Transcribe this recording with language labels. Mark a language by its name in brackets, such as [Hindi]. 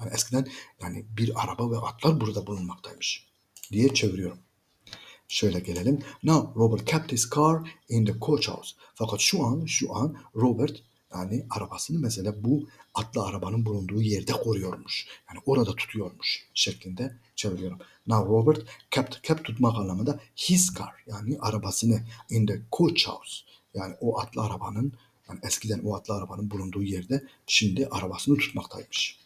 [Turkish] Yani eskiden, yani bir araba ve atlar burada bulunmaktaymış diye çeviriyorum. Şöyle gelelim. [English] Now Robert kept his car in the coachhouse. [Turkish] Fakat şu an Robert, yani arabasını, mesela bu atlı arabanın bulunduğu yerde koruyormuş. Yani orada tutuyormuş şeklinde çeviriyorum. [English] Now Robert kept [Turkish] tutmak anlamında his car, yani arabasını, [English] in the coachhouse, [Turkish] yani o atlı arabanın, yani eskiden o atlı arabanın bulunduğu yerde şimdi arabasını tutmaktaymış.